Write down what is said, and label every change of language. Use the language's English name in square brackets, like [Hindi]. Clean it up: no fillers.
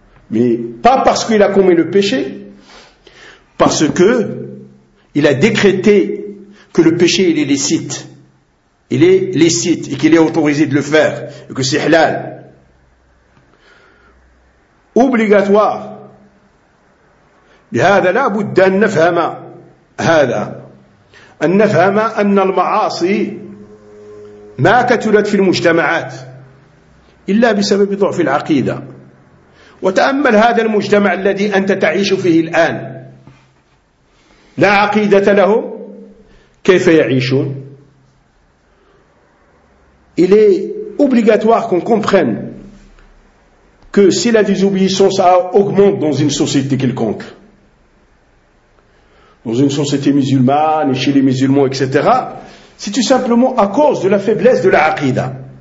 [French] Mais pas parce qu'il a commis le péché, parce que il a décrété que le péché, il est licite. Il est licite et qu'il est autorisé de le faire et que c'est halal. Obligatoire. [Arabic] بهذا لا بد أن نفهم هذا أن نفهم أن المعاصي ما كتلت في المجتمعات إلا بسبب ضعف العقيدة. وتأمل هذا المجتمع الذي أنت تعيش فيه الآن، لا عقيدة لهم، كيف يعيشون؟ [French] Il est obligatoire qu'on comprenne que si la désobéissance augmente dans une société quelconque, dans une société musulmane et chez les musulmans, etc., c'est tout simplement à cause de la faiblesse de la aqida.